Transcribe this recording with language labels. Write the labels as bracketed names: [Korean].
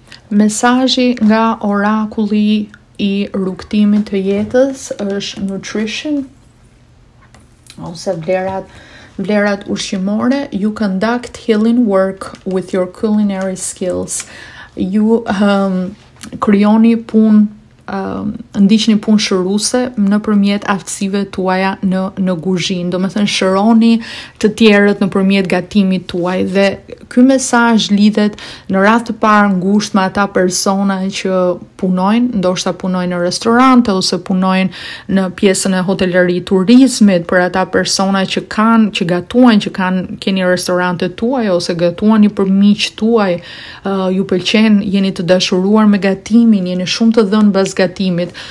[Albanian] Mesazhi nga orakulli i rrugtimit të jetës është nutrition, ose vlerat ushqimore. [English] You conduct healing work with your culinary skills. [Albanian] You krijoni punë, ndiqni punë shëruse nëpërmjet aftësive tuaja në kuzhinë. Domethënë shëroni të tjerët nëpërmjet gatimit tuaj dhe ky mesazh lidhet në radhë të parë ngushtë me ata persona që punojnë, ndoshta punojnë në restorante ose punojnë në pjesën e hotelerisë, turizmit, për ata persona që kanë, që gatuan, që kanë keni restorante tuaj ose gatuani për miqtë tuaj, ju pëlqen, jeni të dashuruar me gatimin, jeni shumë të dhënë bazë gatimit.